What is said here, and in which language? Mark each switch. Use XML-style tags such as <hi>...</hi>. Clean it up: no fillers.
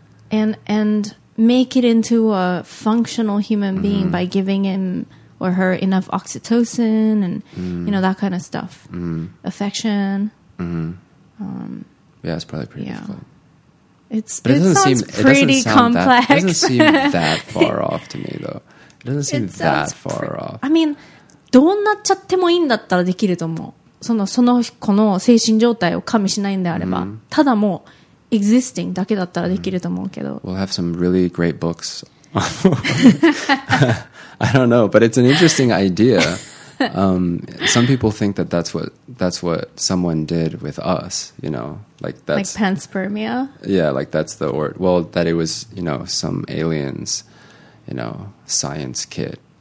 <en>And make it into a functional human being by giving him or her enough oxytocin and you know that kind of stuff. Affection. Yeah, it's probably pretty difficult. It sounds pretty complex. It doesn't seem that far off to me, though. It doesn't seem that far off. I mean,</en> <ja>どうなっちゃってもいいんだったらできると思う。その子の精神状態を加味しないんであれば、ただもう existing だけだったらできると思うけど。</ja> <en>We'll have some really great books. I don't know, but it's an interesting idea. Some people think that that's what someone did with us, you know, like that's like panspermia. Yeah, like that's the or well that it was, you know, some aliens, you know, science kit.</en>